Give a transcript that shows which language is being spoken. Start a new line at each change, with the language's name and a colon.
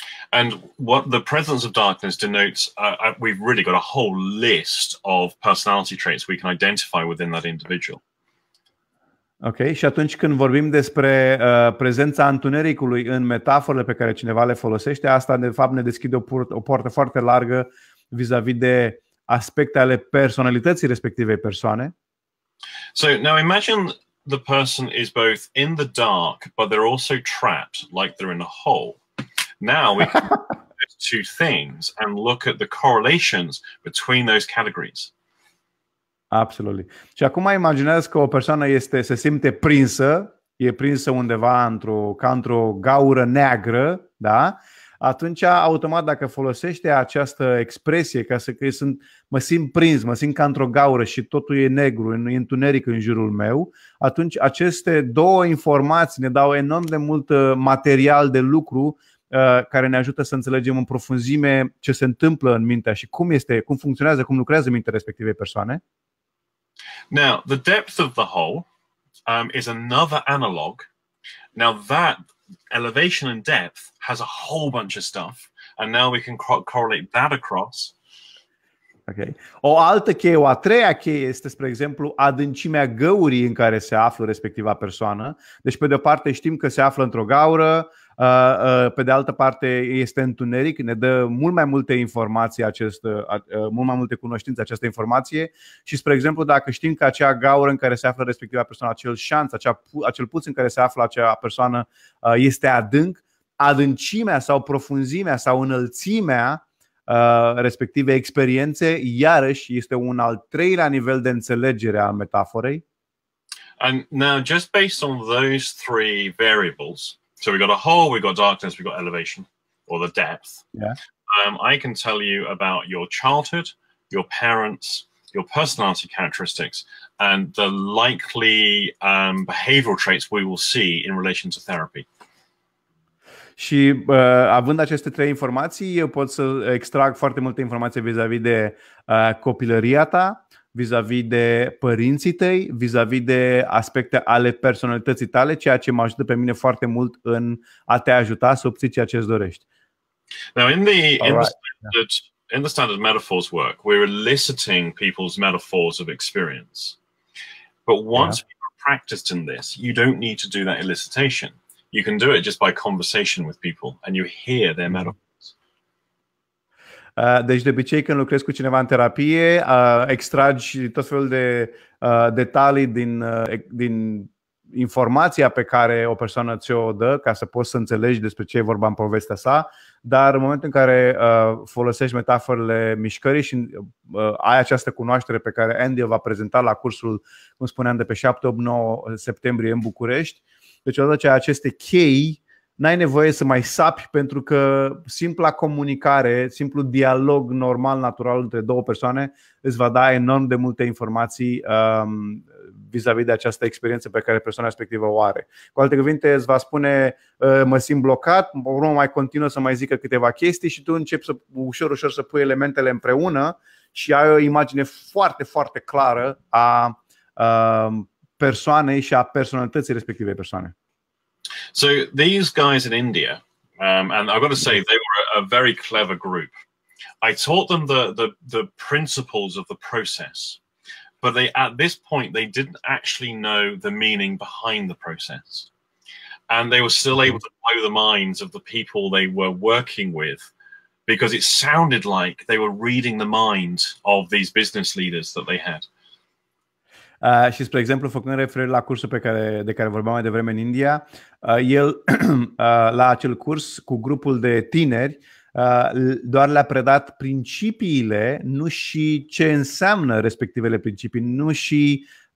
English: And what the presence of darkness denotes, we've really got a whole list of personality traits we can identify within that individual.
Romanian: Ok, și atunci când vorbim despre prezența întunericului în metaforele pe care cineva le folosește, asta de fapt ne deschide o poartă foarte largă vis-a-vis de aspecte ale personalității respectivei persoane.
English: So now imagine the person is both in the dark, but they're also trapped, like they're in a hole. Now we can look at two things and look at the correlations between those categories. Absolutely.
Romanian: Și acum imaginează că o persoană este, se simte prinsă, e prinsă undeva într-o gaură neagră, da? Atunci automat dacă folosește această expresie ca să mă simt prins, mă simt ca într-o gaură și totul e negru, e întuneric în jurul meu, atunci aceste două informații ne dau enorm de mult material de lucru care ne ajută să înțelegem în profunzime ce se întâmplă în mintea și cum este, cum funcționează, cum lucrează mintea respectivei persoane.
English: Now, the depth of the hole is another analog. Now that elevation and depth has a whole bunch of stuff, and now we can correlate that across. Okay.
Romanian: O altă cheie, o a treia cheie este, spre exemplu, adâncimea găurii în care se află respectiva persoană. Deci, pe de o parte, știm că se află într-o gaură, pe de altă parte este întuneric, ne dă mult mai multe informații mult mai multe cunoștințe această informație. Și, spre exemplu, dacă știm că acea gaură în care se află respectiva persoană, acel șanț, acel puț în care se află acea persoană este adânc, adâncimea sau profunzimea sau înălțimea respective experiențe, iarăși este un al treilea nivel de înțelegere a metaforei.
English: And now, just based on those three variables, so we got a hole, we got darkness, we got elevation, or the depth. Yeah. I can tell you about your childhood, your parents, your personality characteristics, and the likely behavioral traits we will see in relation to therapy.
Romanian: Și având aceste trei informații, eu pot să extrag foarte multe informații vis-a-vis de copilăria ta, vis-a-vis de părinții tăi, vis-a-vis de aspecte ale personalității tale, ceea ce mă ajută pe mine foarte mult în a te ajuta să obții ceea ce îți dorești.
English: Now in the standard metaphors work, we're eliciting people's metaphors of experience. But once you're practiced in this, you don't need to do that elicitation. You can do it just by conversation with people and you hear their metaphors.
Romanian: Deci de obicei când lucrezi cu cineva în terapie, extragi tot felul de detalii din informația pe care o persoană ți-o dă ca să poți să înțelegi despre ce e vorba în povestea sa, dar în momentul în care folosești metaforele mișcării și ai această cunoaștere pe care Andy o va prezenta la cursul, cum spuneam, de pe 7-8-9 septembrie în București. Deci odată ce ai aceste chei, n-ai nevoie să mai sapi, pentru că simpla comunicare, simplu dialog normal, natural între două persoane îți va da enorm de multe informații vis-a-vis de această experiență pe care persoana respectivă o are. Cu alte cuvinte, îți va spune, mă simt blocat, urmă mai continuă să mai zică câteva chestii și tu începi să ușor, ușor să pui elementele împreună și ai o imagine foarte, foarte clară a persoanei și a personalității respectivei persoane.
English: So these guys in India, and I've got to say they were a very clever group. I taught them the principles of the process, But they, at this point, they didn't actually know the meaning behind the process. And they were still able to blow the minds of the people they were working with, because it sounded like they were reading the mind of these business leaders that they had.
Romanian: Și spre exemplu, făcând referire la cursul pe care, de care vorbeam mai devreme în India, el la acel curs cu grupul de tineri doar le-a predat principiile, nu și ce înseamnă respectivele principii, nu și